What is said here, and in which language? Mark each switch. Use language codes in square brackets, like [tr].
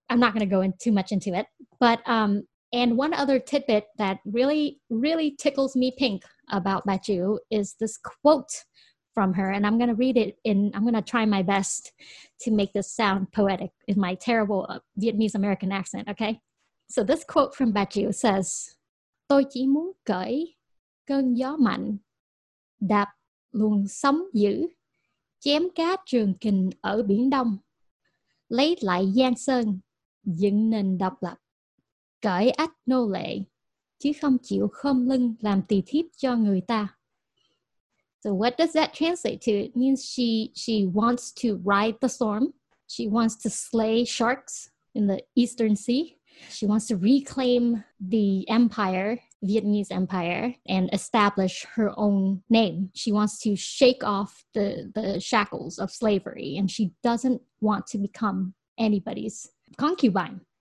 [en] I'm not going to go in too much into it. But and one other tidbit that really, really tickles me pink about Batu is this quote from her, and I'm going to read it in, I'm going to try my best to make this sound poetic in my terrible Vietnamese American accent, okay? So this quote from Batu says, [vi] "Tôi chỉ muốn cởi cơn gió mạnh, đạp luồng sóng dữ, chém cá trường kình ở biển đông, lấy lại giang sơn, dựng nền độc lập, cởi ách nô lệ, chứ không chịu khom lưng làm tỳ thiếp cho người ta." [en] So what does that translate to? It means she wants to ride the storm. She wants to slay sharks in the Eastern Sea. She wants to reclaim the empire, Vietnamese empire, and establish her own name. She wants to shake off the shackles of slavery, and she doesn't want to become anybody's concubine.